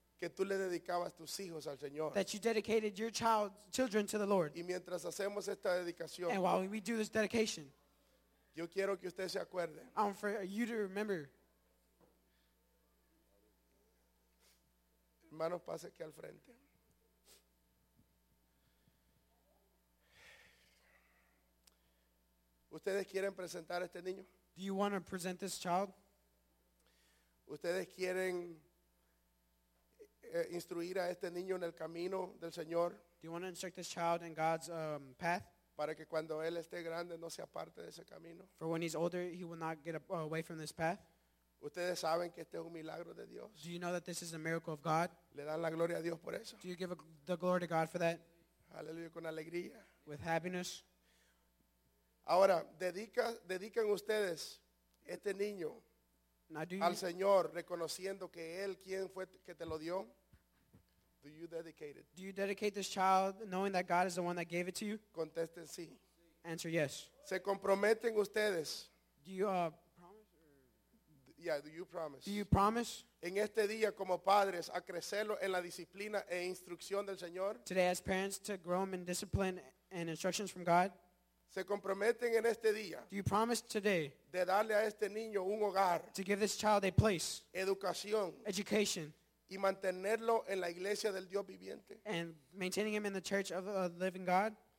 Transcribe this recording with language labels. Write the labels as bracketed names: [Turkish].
[Spanish] Que tú le dedicabas tus hijos al Señor. [English] That you dedicated your children to the Lord. [Spanish] Y mientras hacemos esta dedicación, [English] and while we do this dedication, [Spanish] yo quiero que usted se acuerde. [English] I want for you to remember. [Spanish] Hermanos, pase aquí al frente. ¿Ustedes quieren presentar a este niño? [English] Do you want to present this child? [Spanish] ¿Ustedes quieren instruir a este niño en el camino del Señor? [English] Do you want to instruct this child in God's path? [Spanish] Para que cuando él esté grande no se aparte de ese camino. [English] For when he's older, he will not get away from this path. [Spanish] Ustedes saben que este es un milagro de Dios. [English] Do you know that this is a miracle of God? [Spanish] Le dan la gloria a Dios por eso. [English] Do you give the glory to God for that? [Spanish] Aleluya, con alegría. [English] With happiness. [Spanish] Ahora, dedican ustedes este niño. Al Señor, reconociendo que Él quien fue que te lo dio. [English] Do you dedicate it? Do you dedicate this child knowing that God is the one that gave it to you? [Spanish] Contesten sí. [English] Answer yes. [Spanish] ¿Se comprometen ustedes? [English] Do you promise? Yeah, do you promise? Do you promise? [Spanish] En este día como padres a crecerlo en la disciplina e instrucción del Señor. [English] Today as parents to grow him in discipline and instructions from God. [Spanish] Se comprometen en este día. [English] Do you promise today? [Spanish] De darle a este niño un hogar. [English] To give this child a place. [Spanish] Educación. [English] Education. [Spanish] Y mantenerlo en la iglesia del Dios viviente. [English] And maintaining him in the church of the living God.